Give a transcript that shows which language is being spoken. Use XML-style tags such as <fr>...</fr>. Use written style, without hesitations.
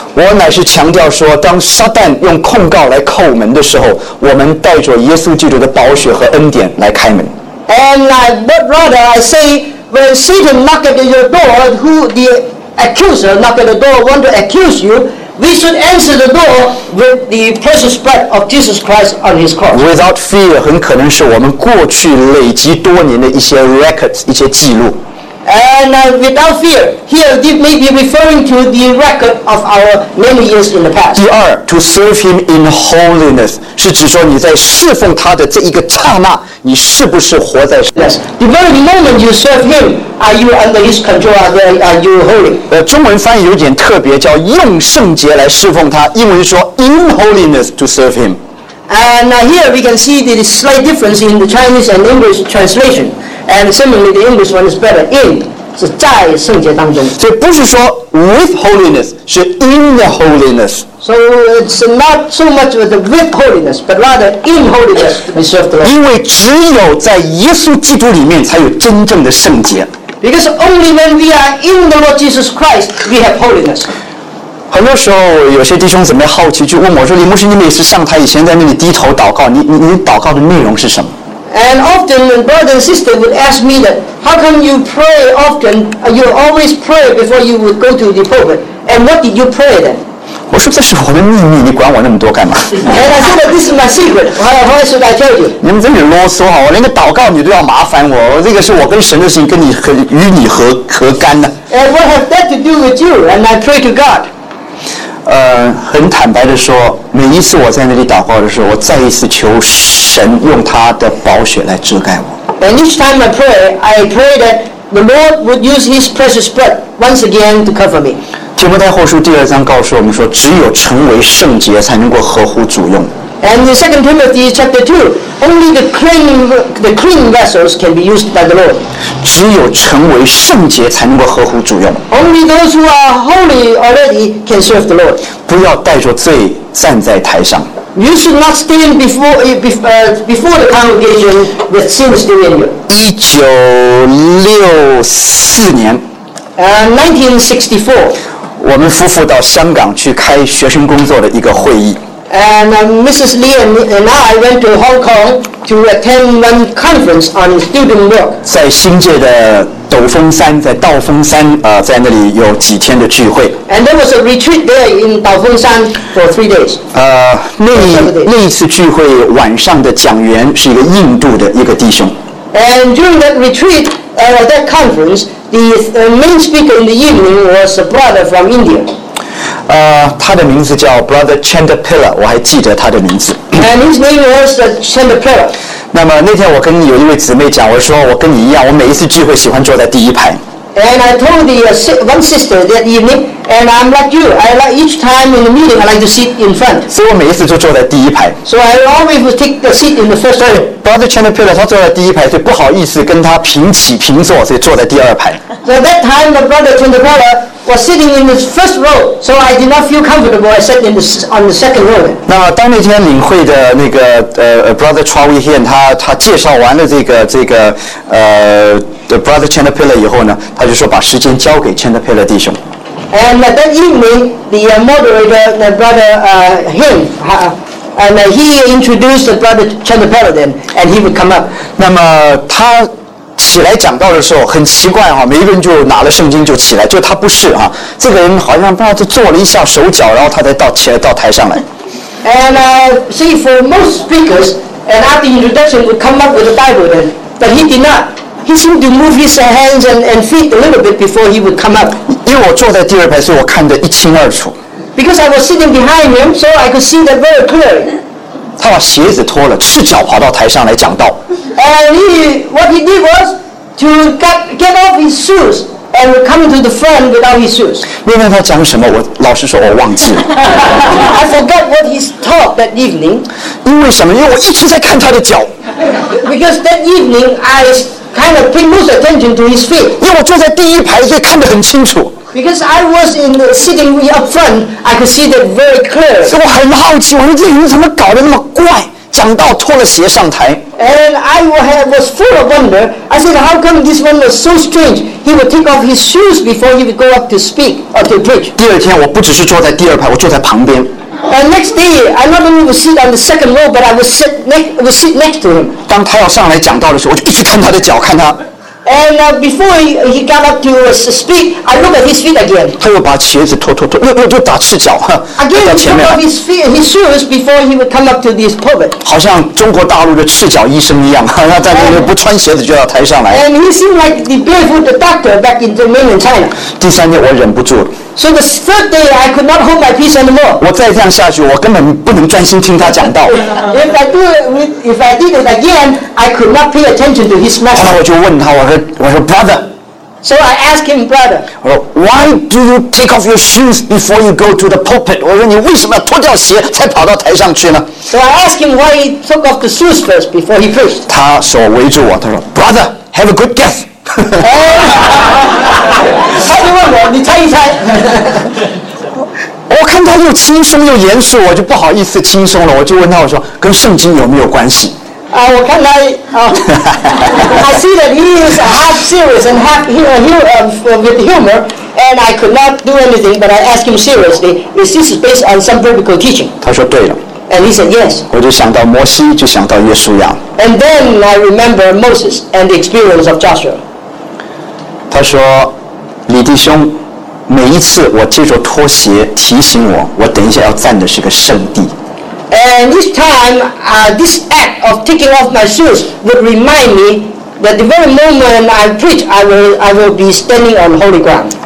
<zh>我乃是强调说，当撒旦用控告来叩门的时候，我们带着耶稣基督的宝血和恩典来开门。</zh> <en>And I say when Satan knock at your door, who the accuser knock at the door want to accuse you? We should answer the door with the precious blood of Jesus Christ on his cross. Without fear,</en> <zh>很可能是我们过去累积多年的一些 records, 一些记录。</zh> <en>And without fear, here this may be referring to the record of our many years in the past.</en> <zh>第二</zh> <en>to serve him in holiness,</en> <zh>是指说你在侍奉他的这一个刹那，你是不是活在</zh> <en>Yes, the very moment you serve him, are you under his control, are you holy?</en> <zh>中文翻译有点特别，叫用圣洁来侍奉他，英文说</zh> <en>in holiness to serve him. And here we can see the slight difference in the Chinese and English translation. And similarly, the English one is better. In</en> <zh>是在圣洁当中，所以不是说</zh> <en>with holiness,</en> <zh>是</zh> <en>in the holiness. So it's not so much with the with holiness, but rather in holiness to be served.</en> <zh>因为只有在耶稣基督里面才有真正的圣洁。</zh> <en>Because only when we are in the Lord Jesus Christ, we have holiness.</en> <zh>很多时候，有些弟兄姊妹好奇就问我说：“李牧师，你每次上台以前在那里低头祷告，你祷告的内容是什么？”</zh> <en>And often, when brother and sister would ask me that, how come you pray often, you always pray before you would go to the pulpit? And what did you pray then?</en> <zh>我说这是我的秘密，你管我那么多干嘛？</zh> <en>And I said that this is my secret. Why should I tell you?</en> <zh>你们真是啰嗦哈！我连个祷告你都要麻烦我，这个是我跟神的事情，跟你和与你何干呢？</zh> <en>And what has that to do with you? And I pray to God.</en> <zh>很坦白的说，每一次我在那里祷告的时候，我再一次求神用他的宝血来遮盖我。</zh> <en>And each time I pray that the Lord would use His precious blood once again to cover me.</en> <zh>提摩太后书第二章告诉我们说，只有成为圣洁才能够合乎主用。</zh> <en>And in 2 Timothy chapter 2, only the clean vessels can be used by the Lord.</en> <zh>只有成为圣洁才能够合乎主用。</zh> <en>Only those who are holy already can serve the Lord.</en> <zh>不要带着罪站在台上。</zh> <en>You should not stand before the congregation with sin still in you.</en> <zh>1964年。 1964。我们夫妇到香港去开学生工作的一个会议。</zh> <en>And Mrs. Lee and I went to Hong Kong to attend one conference on student work.</en> <zh>在新界的斗峰山，在道峰山，在那里有几天的聚会。</zh> <en>And there was a retreat there in 道峰山 for 3 days.</en> <zh>那一次聚会晚上的讲员是一个印度的一个弟兄。</zh> <en>And during that retreat, that conference. The main speaker in the evening was a brother from India.</en> <zh>他的名字叫 Brother Chandapilla, 我还记得他的名字。</zh> <en>And his name was Chandapilla.</en> <zh>那么那天我跟有一位姊妹讲，我说我跟你一样，我每一次聚会喜欢坐在第一排。</zh> <en>And I told the one sister that evening, and I'm like you. I like each time in the meeting, I like to sit in front.</en> <zh>所以我每一次就坐在第一排。</zh> <en>So I always would take the seat in the first row.</en> <zh>Brother Chandapilla, 他坐在第一排，所以不好意思跟他平起平坐，所以坐在第二排。</zh> <en>So that time, the brother Chandapilla was sitting in the first row, so I did not feel comfortable. I sat on the second row.</en> <zh>那当那天领会的那个Brother Chua Wee Hien, 他介绍完了这个Brother Chandapilla 以后呢，他就说把时间交给 Chandapilla 弟兄。</zh> <en>And that evening, the moderator, the brother him, and he introduced the brother Chandapilla then, and he would come up.</en> <zh>那么他起来讲道的时候很奇怪哈，每一个人就拿了圣经就起来，就他不是哈，这个人好像不知道就做了一下手脚，然后他才起来到台上来。</zh> <en>And see, for most speakers, and after introduction would come up with the Bible then, but he did not. He seemed to move his hands and feet a little bit before he would come up.</en> <zh>因为我坐在第二排，所以我看得一清二楚。</zh> <en>Because I was sitting behind him, so I could see that very clearly.</en> <zh>他把鞋子脱了，赤脚跑到台上来讲道。</zh> <en>And what he did was to get off his shoes and come to the front without his shoes.</en> <zh>因为他讲什么，我老实说，我忘记了。</zh> <en>I forgot what he talked that evening.</en> <zh>因为什么？因为我一直在看他的脚。</zh> <en>Because that evening I. Kind of pay most attention to his feet.</en> <zh>因为我坐在第一排，所以看得很清楚。</zh> <en>Because I was in sitting up front, I could see that very clear.</en> <zh>所以我很好奇，我说这人怎么搞得那么怪？讲道脱了鞋上台。</zh> <en>And I was full of wonder. I said, how come this one was so strange? He would take off his shoes before he would go up to speak or to preach.</en> <zh>第二天，我不只是坐在第二排，我坐在旁边。</zh> <en>And next day, I not only would sit on the second row, but I would sit next to him.</en> <zh>当他要上来讲道的时候，我就一直看他的脚，看他。</zh> <en>And before he got up to speak, I looked at his feet again.</en> <zh>他又把鞋子脱，又打赤脚哈。</zh> <en>Again, he took off his feet, his shoes before he would come up to this pulpit.</en> <zh>好像中国大陆的赤脚医生一样，他在那里不穿鞋子就到台上来。</zh> <en>And he seemed like the barefoot doctor back in the mainland China.</en> <zh>第三天我忍不住了。</zh> <en>So the third day, I could not hold my peace anymore.</en> <zh>我再这样下去，我根本不能专心听他讲道。</zh> <en>If I did it again, I could not pay attention to his message.</en> <zh>后来我就问他，我说 brother.</zh> <en>So I asked him, brother.</en> <zh>我说</zh> <en>why do you take off your shoes before you go to the pulpit?</en> <zh>我说你为什么要脱掉鞋才跑到台上去呢？</zh> <en>So I asked him why he took off the shoes first before he preached.</en> <zh>他手围住我，他说</zh> <en>brother, have a good guess.</en> <zh>And, 他就问我，你猜一猜。我看他又轻松又严肃，我就不好意思轻松了，我就问他，我说跟圣经有没有关系？我看他</zh> <en>I see that he is half serious and half with humor, and I could not do anything, but I asked him seriously, is this based on some biblical teaching?</en> <zh>他说对了。</zh> <en>And he said yes.</en> <zh>我就想到摩西，就想到耶稣亚。</zh> <en>And then I remember Moses and the experience of Joshua.</en> <zh>他说，李弟兄，每一次我借着拖鞋提醒我，我等一下要站的是个圣地。</zh> <en>And this time, this act of taking off my shoes would remind me that the very moment I preach, I will be standing on holy ground.</en>